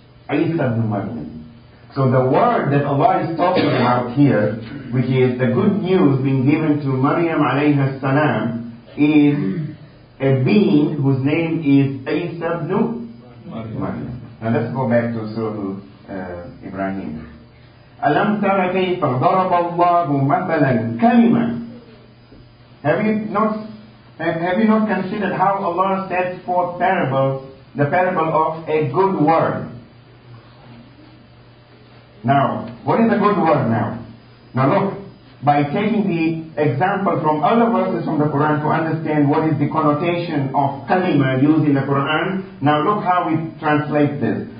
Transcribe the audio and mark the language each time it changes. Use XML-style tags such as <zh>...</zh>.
<en>Isa ibn Maryam. So the word that Allah is talking about here, which is the good news being given to Maryam alayhi salam, is a being whose name is Isa ibn Maryam. Now let's go back to Surah Ibrahim.</en> <ar>أَلَمْ تَرَ كَيْفَ ضَرَبَ اللَّهُ مَثَلًا كَلِمًا.</ar> <en>Have you not Have you not considered how Allah sets forth parable, the parable of a good word? Now, what is a good word now? Now look, by taking the example from other verses from the Quran to understand what is the connotation of kalima used in the Quran, now look how we translate this.</en>